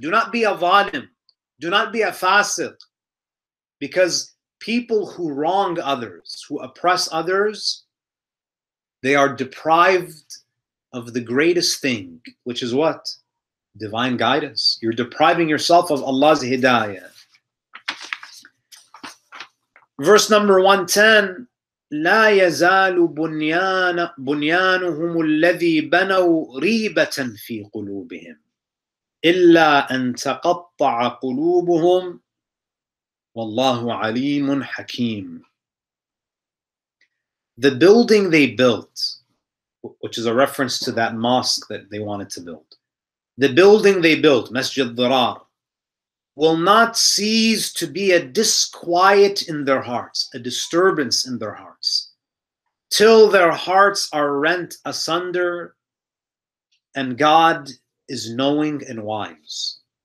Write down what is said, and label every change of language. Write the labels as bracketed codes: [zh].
[en] Do not be a zalim. Do not be a fasiq. Because people who wrong others, who oppress others, they are deprived of the greatest thing, which is what? Divine guidance. You're depriving yourself of Allah's hidayah. Verse number 110. [ar] لا يزال بنيانهم الذي بنوا ريبة في قلوبهم إلا أن تقطع قلوبهم والله عليم حكيم. [en] The building they built, which is a reference to that mosque that they wanted to build, the building they built, Masjid al-Dirar, will not cease to be a disquiet in their hearts, a disturbance in their hearts, till their hearts are rent asunder and God is knowing and wise.